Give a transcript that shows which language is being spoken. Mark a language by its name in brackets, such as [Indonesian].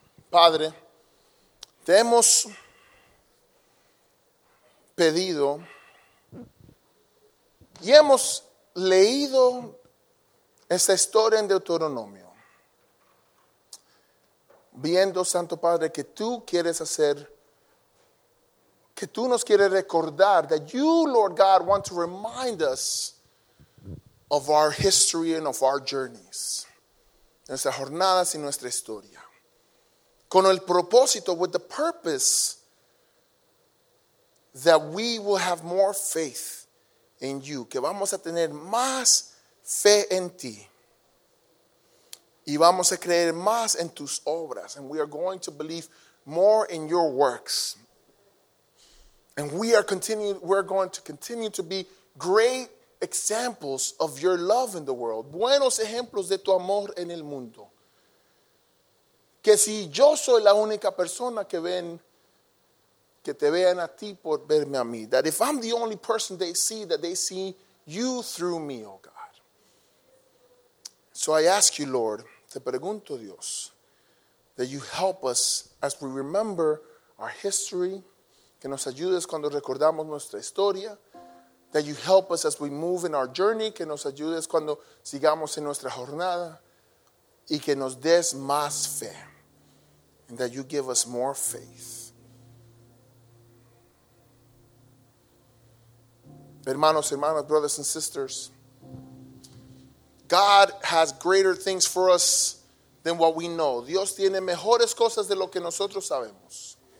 [Spanish] Padre, te hemos pedido y hemos leído esta historia en Deuteronomio, viendo, Santo Padre, que tú quieres hacer, que tú nos quieres recordar, [English] that you, Lord God, want to remind us of our history and of our journeys, [Spanish] nuestras jornadas y nuestra historia. Con el propósito, [English] with the purpose that we will have more faith in you. [Spanish] Que vamos a tener más fe en ti. Y vamos a creer más en tus obras. [English] And we are going to believe more in your works. And we are going to continue to be great examples of your love in the world. [Spanish] Buenos ejemplos de tu amor en el mundo. Que si yo soy la única persona que ven, que te vean a ti por verme a mí. [English] That if I'm the only person they see, that they see you through me, oh God. So I ask you, Lord, [Spanish] te pregunto, Dios, [English] that you help us as we remember our history. [Spanish] Que nos ayudes cuando recordamos nuestra historia. [English] That you help us as we move in our journey. [Spanish] Que nos ayudes cuando sigamos en nuestra jornada. Y que nos des más fe. [English] And that you give us more faith. [Spanish] Hermanos, hermanas, [English] brothers and sisters. God has greater things for us than what we know. [Spanish] Dios tiene mejores cosas de lo que nosotros sabemos.